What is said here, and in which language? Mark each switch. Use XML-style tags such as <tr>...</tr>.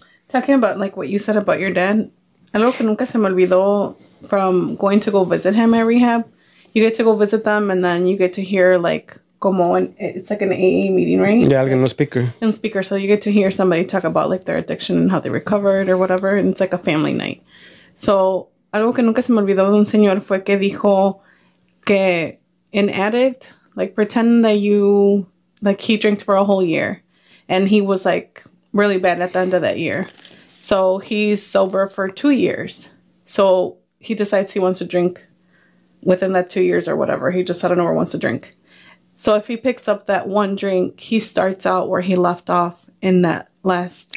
<en>Talking about like what you said about your dad,</en> <es>algo que nunca se me olvidó</es> <en>from going to go visit him at rehab. You get to go visit them, and then you get to hear like</en> <es>como</es> <en>it's like an AA meeting, right? Yeah,</en> <es>alguien no</es> <en>speaker. So you get to hear somebody talk about like their addiction and how they recovered or whatever, and it's like a family night.</en> <es>So algo que nunca se me olvidó de un señor fue que dijo que</es> <en>an addict. Like, pretend that you, like, he drank for a whole year. And he was, like, really bad at the end of that year. So, he's sober for 2 years. So, he decides he wants to drink within that 2 years or whatever. He just, I don't know, where wants to drink. So, if he picks up that one drink, he starts out where he left off in that last</en>